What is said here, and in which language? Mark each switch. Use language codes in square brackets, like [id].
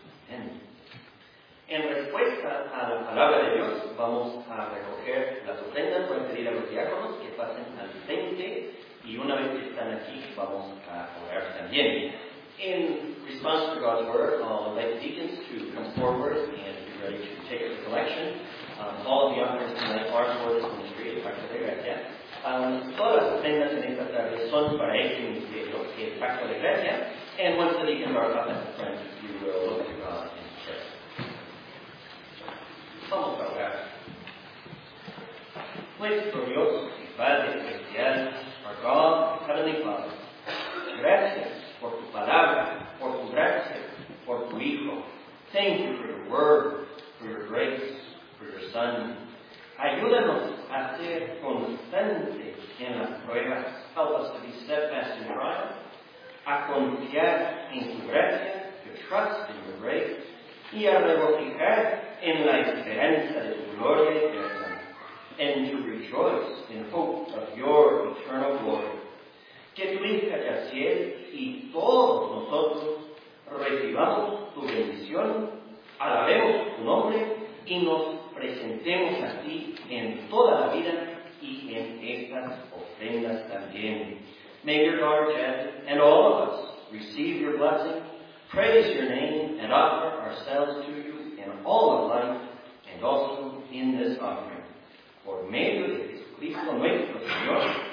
[es] And en respuesta a la palabra de Dios, vamos a recoger las ofrendas, voy a pedir a los diáconos que pasen al frente, y una vez que están aquí, vamos a orar también. [en] In response to God's word, I'll invite deacons to come forward and be ready to take the collection. All the offerings tonight are for this ministry, in fact, they're right there. [es] Todas las ofrendas en esta tarde son para este ministerio, que es Pacto de Gracia. [en] And once the deacon brought up as a friend, you will look to God and pray. [es] Vamos a orar. Nuestro Dios y Padre Celestial, [en] our God and Heavenly Father, [es] gracias por tu palabra, por tu gracia, por tu Hijo. [en] Thank you for your word, for your grace, for your Son. [es] Ayúdanos a ser constantes en las pruebas. [en] Help us to be steadfast in trial. [es] A confiar en tu gracia, [en] to trust in your grace, [es] y a regocijar en la esperanza de tu gloria eterna, [en] and to rejoice in hope of your eternal glory. [es] Que tu Hija Yaciel y todos nosotros recibamos tu bendición, alabemos tu nombre y nos presentemos a ti en toda la vida y en estas ofrendas también. [en] May your daughter Jen and all of us receive your blessing, praise your name, and offer ourselves to you in all of life and also in this offering. [es] Por medio de Jesucristo nuestro Señor.